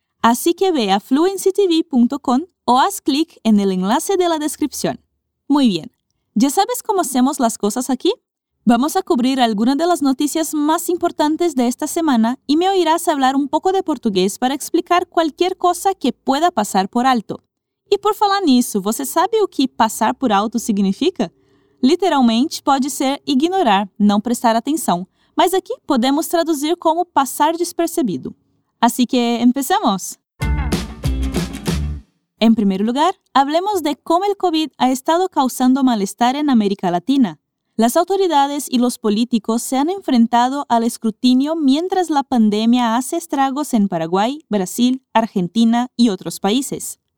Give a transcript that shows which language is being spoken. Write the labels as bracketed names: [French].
[Spanish] Así que ve a FluencyTV.com o haz clic en el enlace de la descripción. Muy bien, ¿ya sabes cómo hacemos las cosas aquí? Vamos a cubrir algunas de las noticias más importantes de esta semana y me oirás hablar un poco de portugués para explicar cualquier cosa que pueda pasar por alto. [Portuguese] Y por falar nisso, ¿você sabe o que passar por alto significa? Literalmente pode ser ignorar, não prestar atenção, mas aqui podemos traduzir como passar despercebido. [Spanish] Así que, ¡empecemos! En primer lugar, hablemos de cómo el COVID ha estado causando malestar en América Latina. Las autoridades y los políticos se han enfrentado al escrutinio mientras la pandemia hace estragos en Paraguay, Brasil, Argentina y otros países.